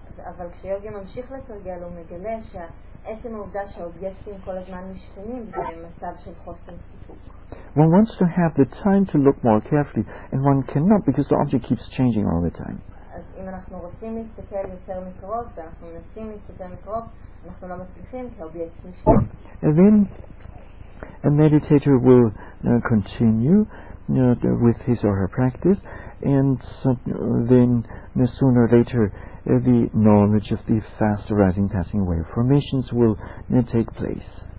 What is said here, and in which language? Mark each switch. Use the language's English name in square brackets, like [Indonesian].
[Hebrew] אבל כשיוגי ממשיך לתרגל, הוא מגלה שעצם העובדה שהאובייקטים כל הזמן משתנים זה מצב של חוסר סיפוק. [English] One wants to have the time to look more carefully, and one cannot because the object keeps changing all the time. [Hebrew] אז אם אנחנו רוצים להסתכל יותר מקרוב, ואנחנו מנסים להסתכל מקרוב, אנחנו לא מצליחים כי האובייקט משתנה. [English] And then a meditator will continue with his or her practice, and then sooner or later the knowledge of the fast arising passing away formations will take place.